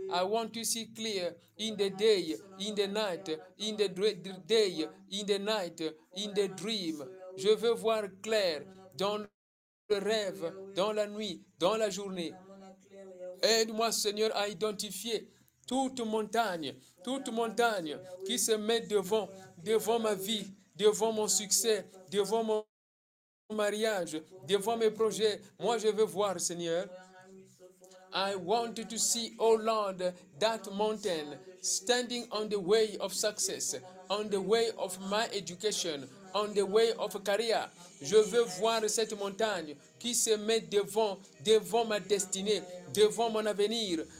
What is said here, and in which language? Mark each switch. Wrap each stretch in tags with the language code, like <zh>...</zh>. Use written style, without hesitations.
<en>I want to see clear in the day, in the night, in the day, in the night, in the dream.</en> <fr>Je veux voir clair dans le rêve, dans la nuit, dans la journée. Aide-moi, Seigneur, à identifier toute montagne qui se met devant, devant ma vie, devant mon succès, devant mon mariage, devant mes projets. Moi, je veux voir, Seigneur.</fr> <en>I want to see, O Lord, that mountain standing on the way of success, on the way of my education, on the way of career.</en> <fr>Je veux voir cette montagne qui se met devant, devant ma destinée, devant mon avenir.</fr>